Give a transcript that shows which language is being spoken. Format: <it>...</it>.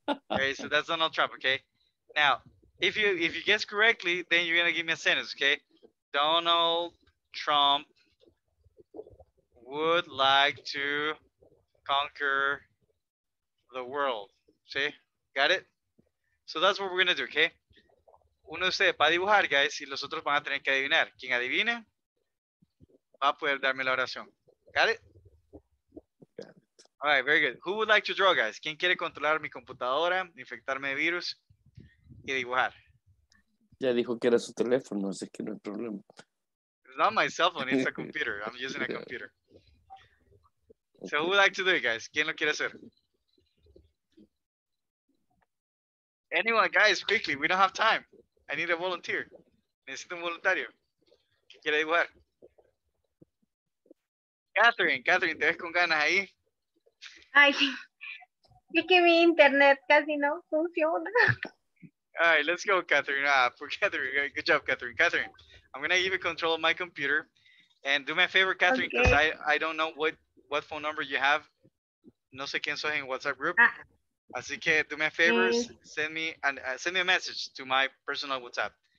<en>Okay, so that's Donald Trump, okay? Now, if you guess correctly, then you're gonna give me a sentence, okay? Donald Trump would like to conquer the world. See? Got it? So that's what we're gonna do, okay?</en> <es>Uno de ustedes va a dibujar, guys, y los otros van a tener que adivinar. Quien adivine va a poder darme la oración.</es> <en>Got it? All right, very good. Who would like to draw, guys?</en> <es>¿Quién quiere controlar mi computadora, infectarme de virus y dibujar? Ya dijo que era su teléfono, así que no hay problema.</es> <en>It's not my cell phone, it's a computer. I'm using a computer. So who would like to do it, guys?</en> <es>¿Quién lo quiere hacer?</es> <en>Anyone, guys, quickly, we don't have time. I need a volunteer.</en> <es>Necesito un voluntario. ¿Qué quiere dibujar? Catherine, ¿te ves con ganas ahí? Ay, es que mi internet casi no funciona.</es> <en>All right, let's go, Catherine. For Catherine. Good job, Catherine. Catherine, I'm going to give you control of my computer. And do me a favor, Catherine, because okay. I don't know what phone number you have.</en> <es>No sé quién soy en WhatsApp group. Así que,</es> <en>do me a favor, send me a message to my personal WhatsApp.</en>